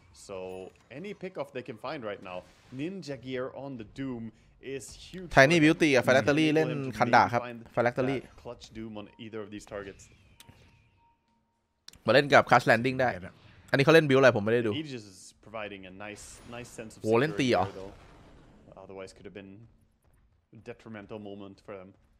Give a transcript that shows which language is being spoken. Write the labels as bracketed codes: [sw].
[en] So any pickoff they can find right now, Ninja Gear on the Doom is huge. [th] Tiny Beauty กับ Phylactery เล่นคันดาครับ Phylactery [en] clutch Doom on either of these targets. [th] มาเล่นกับ Crash Landing ได้อันนี้เขาเล่นบิลอะไรผมไม่ได้ดู [en] Aegis is providing a nice sense of security. [th] โอ้เล่นตีเหรอ [en] Otherwise could have been a detrimental moment for them.